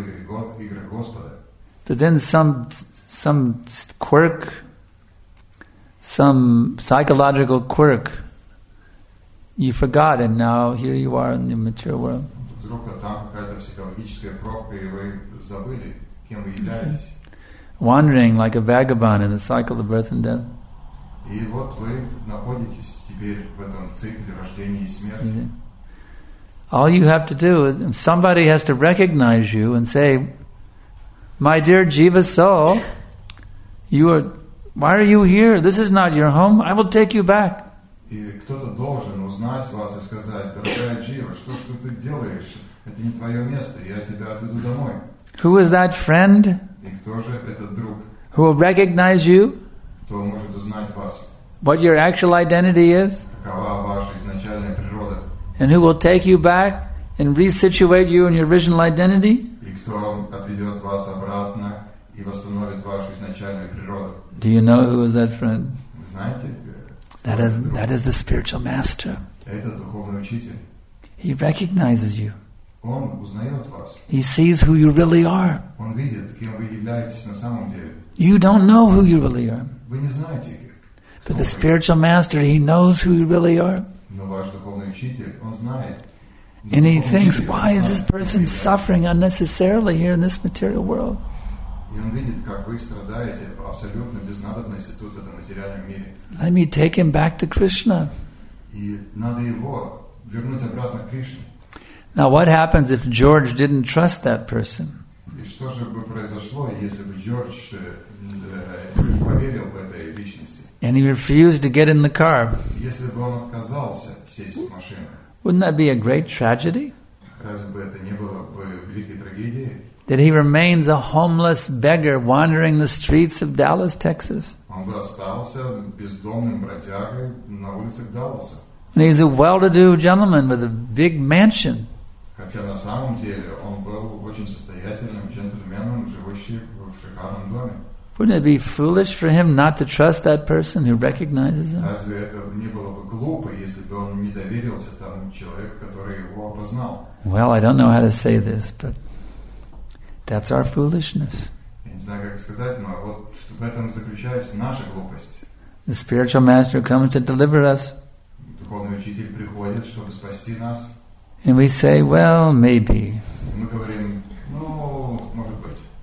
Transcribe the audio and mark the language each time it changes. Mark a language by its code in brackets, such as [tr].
[en] But then some quirk, some psychological quirk, you forgot, and now here you are in the mature world. Okay. Wandering like a vagabond in the cycle of birth and death. [ru] И вот вы находитесь теперь в этом цикле рождения и смерти. [en] All you have to do, somebody has to recognize you and say, my dear Jiva soul, you are, why are you here? This is not your home. I will take you back. [ru] И кто-то должен узнать вас и сказать, дорогая Джива, что ж ты делаешь? Это не твое место, я тебя отведу домой. [en] Who is that friend? [ru] И кто же этот друг? [en] Who will recognize you? [ru] Кто может узнать вас? [en] What your actual identity is? [ru] Какова ваша изначальная природа? [en] And who will take you back and resituate you in your original identity? [ru] И кто отведет вас обратно и восстановит вашу изначальную природу? [en] Do you know who is that friend? [ru] Вы знаете? [en] That is the spiritual master. [ru] Это духовный учитель. [en] He recognizes you. [ru] Он узнает вас. [en] He sees who you really are. [ru] Он видит, кем вы являетесь на самом деле. [en] You don't know who you really are. [ru] Вы не знаете, кто [en] But the spiritual master, he knows who you really are. [ru] Но ваш духовный учитель, он знает. [en] And he thinks, why is this person suffering unnecessarily here in this material world? [ru] И он видит, как вы страдаете абсолютно без надобности тут в этом материальном мире. [en] Let me take him back to Krishna. [ru] И надо его вернуть обратно к Кришне. [en] Now what happens if George didn't trust that person? [ru] И что же бы произошло, если бы Джордж не поверил в этой личности? [en] And he refused to get in the car. [ru] Если бы он отказался сесть в машину. [en] Wouldn't that be a great tragedy? [ru] Разве бы это не было бы великой трагедией? [en] That he remains a homeless beggar wandering the streets of Dallas, Texas. [ru] Он бы остался бездомным бродягой на улицах Далласа. [en] And he's a well-to-do gentleman with a big mansion. [ru] Хотя на самом деле он был очень состоятельным джентльменом, живущим в шикарном доме. [en] Wouldn't it be foolish for him not to trust that person who recognizes him? [ru] Разве это не было бы глупо, если бы он не доверился тому человеку, который его опознал? [en] Well, I don't know how to say this, but that's our foolishness. [ru] Я не знаю, как сказать, но вот в этом заключается наша глупость. [en] The spiritual master comes to deliver us. [ru] Духовный учитель приходит, чтобы спасти нас. [en] And we say, well, maybe. [ru] Мы говорим, ну, может быть.